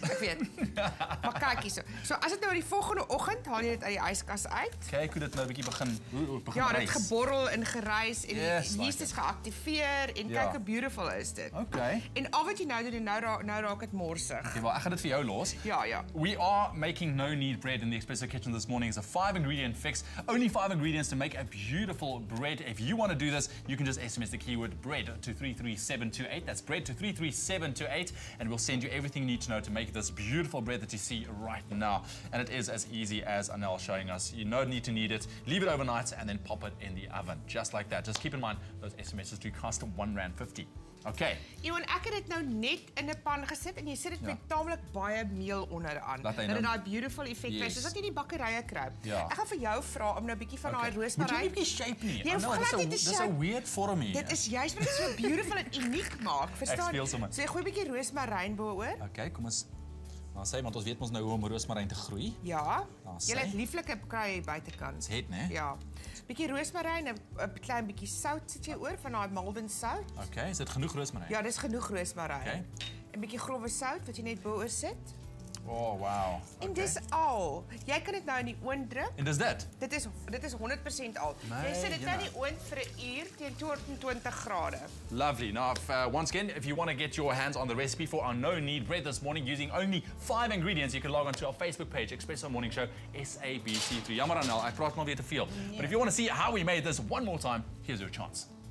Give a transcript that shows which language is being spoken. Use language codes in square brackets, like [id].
[af] Ek weet. Maar kyk hier. So as dit nou die volgende oggend haal jy dit uit die yskas uit. Kyk hoe dit nou 'n bietjie begin reis. Ja, dit geborrel en gereis en die yeast is geaktiveer en kyk hoe beautiful is dit. [en] Okay. [af] En al wat jy nou doen, nou raak dit morsig. Okay, wel, ek gaan dit vir jou los. Ja, ja. [en] We are making no-knead bread in the Espresso Kitchen this morning. It's a five-ingredient fix. Only 5 ingredients to make a beautiful bread. If you want to do this, you can just SMS the keyword bread to 33728. That's bread to 33728. And we'll send you everything you need to know to make this beautiful bread that you see right now. And it is as easy as Anel showing us. You don't need to knead it. Leave it overnight and then pop it in the oven. Just like that. Just keep in mind, those SMSs do cost R1.50. Okay. [af] Ewan, ek het dit nou net in 'n pan gesit en jy sit dit met taamlik baie meel onderaan. Dat dit daai beautiful effek kry. Soos wat jy in die bakkerye kry. Ja. Ek gaan vir jou vra om nou 'n bietjie van daai roosmarijn. Moet jy nie 'n bietjie shape nie? Jy hoef glad nie te shape. Dis 'n weird vorm hier. Dit is juist wat dit so beautiful en uniek maak. Verstaan? Ek speel sommer. So jy gooi 'n bietjie roosmarijn bo oor. Okay, kom ons. Maar sê, want ons weet mos nou hoe om roosmarijn te groei. Ja. Jy het lieflike kry buitekant. Het, né? Ja. Bietjie roosmarijn, 'n klein bietjie sout sit jy oor van daai Malden sout. Okay, is dit genoeg roosmarijn? Ja, dis genoeg roosmarijn. Okay. 'n Bietjie grouwe sout wat jy net bo-oor sit. [en] Oh, wow. [af] En dis al. Jy kan dit nou in die oond druk. En dis dit. Dit is 100% al. Jy sit dit nou in die oond vir 'n uur teen 220 grade. [en] Lovely. Now, once again, if you want to get your hands on the recipe for our no-knead bread this morning using only 5 ingredients, you can log on to our Facebook page, Espresso Morning Show, SABC3. [af] Jammer dan al, ek praat maar weer te veel. [en] But if you want to see how we made this one more time, here's your chance.